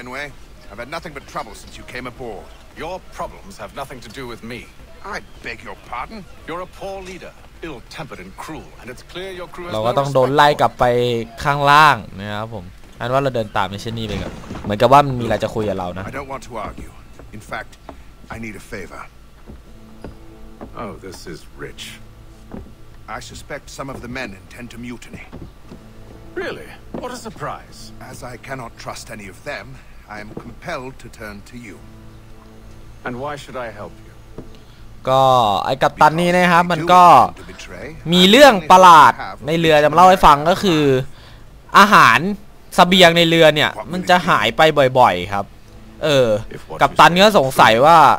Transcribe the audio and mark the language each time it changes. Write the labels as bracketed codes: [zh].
[en] I've had nothing but trouble since you came aboard. Your problems have nothing to do with me. I beg your pardon. You're a poor leader, ill-tempered and cruel, and it's clear your crew. [th] เราก็ต้องโดนไล่กลับไปข้างล่างนะครับผมอันว่าเราเดินตามมิชชันนี่ไปครับเหมือนกับว่ามันมีอะไรจะคุยกับเรานะ [en] In fact, I need a favor. Oh, this is rich. I suspect some of the men intend to mutiny. Really? What a surprise. As I cannot trust any of them, I am compelled to turn to you. And why should I help you? [th] ก็ไอ้กัปตันนี่นะครับมันก็มีเรื่องประหลาดในเรือจะมาเล่าให้ฟังก็คืออาหารเสบียงในเรือเนี่ยมันจะหายไปบ่อยๆครับกัปตันก็สงสัยว่า